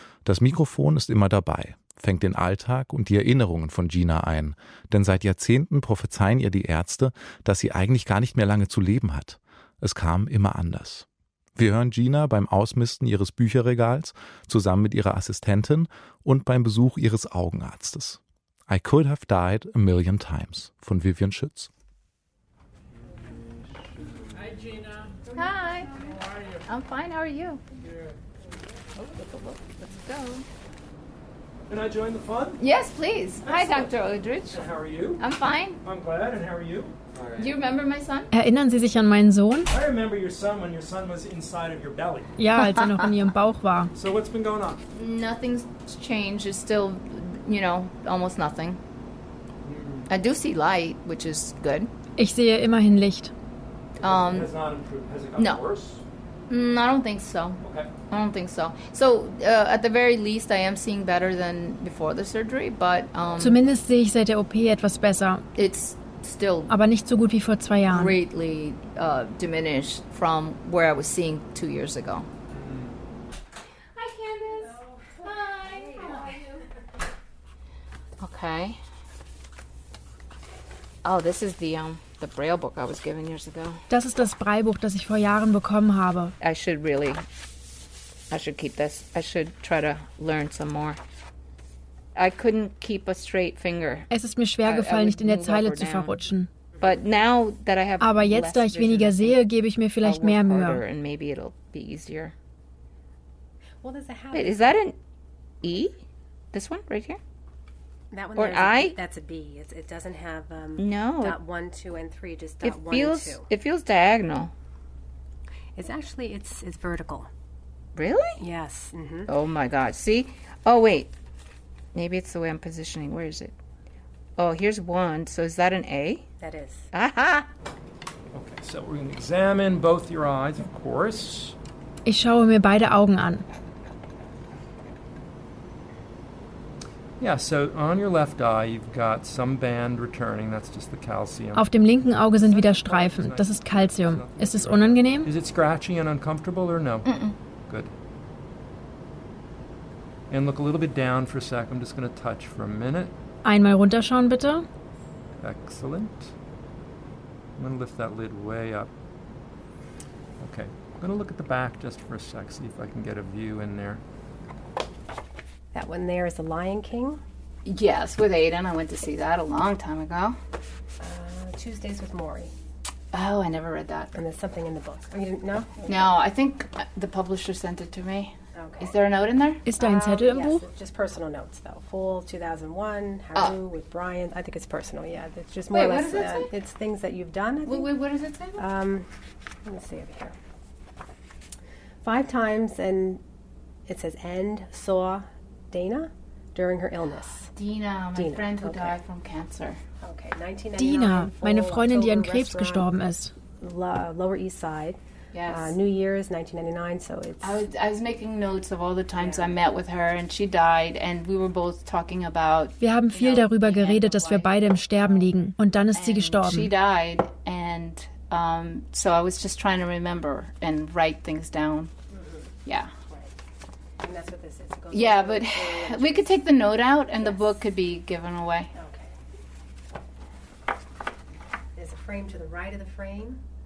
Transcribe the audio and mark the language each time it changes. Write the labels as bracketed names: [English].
[German] Das Mikrofon ist immer dabei, fängt den Alltag und die Erinnerungen von Gina ein. Denn seit Jahrzehnten prophezeien ihr die Ärzte, dass sie eigentlich gar nicht mehr lange zu leben hat. Es kam immer anders. Wir hören Gina beim Ausmisten ihres Bücherregals, zusammen mit ihrer Assistentin und beim Besuch ihres Augenarztes. [English] I could have died a million times von Vivian Schütz. Hi Gina. Hi. How are you? I'm fine, how are you? So. Can I join the fun? Yes, please. Excellent. Hi, Dr. Aldrich. And how are you? I'm fine. I'm glad. And how are you? Right. Do you remember my son? [German] Erinnern Sie sich an meinen Sohn? [English] I remember your son when your son was inside of your belly. [German] Ja, als er noch in Ihrem Bauch war. [English] So what's been going on? Nothing's changed. It's still, you know, almost nothing. I do see light, which is good. [German] Ich sehe immerhin Licht. [English] Has not improved. Has it gotten worse? I don't think so. Okay. I don't think so. So, at the very least, I am seeing better than before the surgery, but... [German] Zumindest sehe ich seit der OP etwas besser. [English] It's still... [German] Aber nicht so gut wie vor zwei Jahren. [English] ...greatly diminished from where I was seeing 2 years ago. Hi, Candace. Hello. Hi. Hey, how are you? Okay. Oh, this is the... The Braille book I was given years ago. [German] Das ist das Braillebuch, das ich vor Jahren bekommen habe. [English] I should keep this. I should try to learn some more. I couldn't keep a straight finger. [German] Es ist mir schwer gefallen, nicht in der Zeile zu verrutschen. [English] But now that I have [German] Aber jetzt, da ich weniger sehe, gebe ich mir vielleicht mehr Mühe. [English] And maybe it'll be easier. Well, there's a habit. Wait, is that an E? This one right here? That one or I? That's a B. It doesn't have no. Dot one, two, and three. Just dot it feels, one, two. It feels diagonal. It's actually it's vertical. Really? Yes. Mm-hmm. Oh my God! See? Oh wait. Maybe it's the way I'm positioning. Where is it? Oh, here's one. So is that an A? That is. Aha. Okay, so we're going to examine both your eyes, of course. [German] Ich schaue mir beide Augen an. [English] Yeah, so on your left eye you've got some band returning, that's just the calcium. [German] Auf dem linken Auge sind wieder Streifen, das ist Calcium. Ist es unangenehm? [English] Is it scratchy and uncomfortable or no? Mm-mm. Good. And look a little bit down for a sec, I'm just going to touch for a minute. [German] Einmal runterschauen bitte. [English] Excellent. I'm going to lift that lid way up. Okay, I'm going to look at the back just for a sec, see if I can get a view in there. That one there is the Lion King? Yes, with Aiden. I went to see that a long time ago. Tuesdays with Maury. Oh, I never read that. And there's something in the book. Oh, you didn't know? No, I think the publisher sent it to me. Okay. Is there a note in there? [German] Is dein Zettel im Buch? [English] Just personal notes, though. Full 2001, Haru with Brian. I think it's personal, yeah. It's just more or less... What does it say? It's things that you've done, I think. Wait, what does it say? Let me see over here. Five times, and it says end, saw... Dana, during her illness. Dina, friend who died from cancer. Okay, [German] Dina, meine Freundin, die an Krebs gestorben ist. [English] Lower East Side. Yes. New Year's, 1999, so it's... I was making notes of all the times I met with her and she died and we were both talking about... [German] Wir haben viel darüber geredet, dass wir beide im Sterben liegen und dann ist sie gestorben. [English] She died and so I was just trying to remember and write things down. Mm-hmm. Yeah. And that's what this is. It goes yeah, but we could take the note out and the book could be given away. Okay. There's a frame to the right of the frame.